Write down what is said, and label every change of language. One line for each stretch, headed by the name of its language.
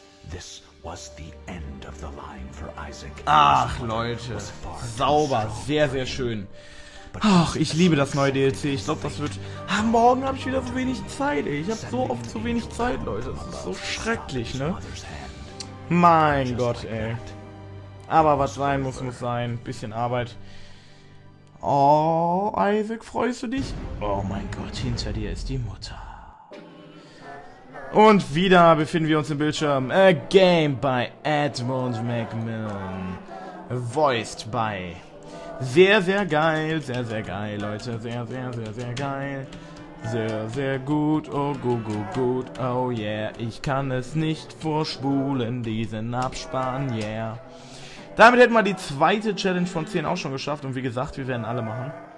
English: This was the end of the line for Isaac.
German: Ach, Leute. Sauber. Sehr, sehr schön. Ach, ich liebe das neue DLC. Ich glaube, das wird... Ach, morgen habe ich wieder so wenig Zeit. Ich habe so oft so wenig Zeit, Leute. Das ist so schrecklich, ne? Mein Gott, ey. Aber was sein muss, muss sein. Bisschen Arbeit. Oh, Isaac, freust du dich? Oh mein Gott, hinter dir ist die Mutter. Und wieder befinden wir uns im Bildschirm.
English: A game by Edmund McMillan. Voiced by...
German: Sehr, sehr geil, Leute. Sehr, sehr, sehr, sehr geil. Sehr, sehr gut, oh gut,
English: oh yeah.
German: Ich kann es nicht vorspulen, diesen Abspann, yeah. Damit hätten wir die zweite Challenge von 10 auch schon geschafft. Und wie gesagt, wir werden alle machen.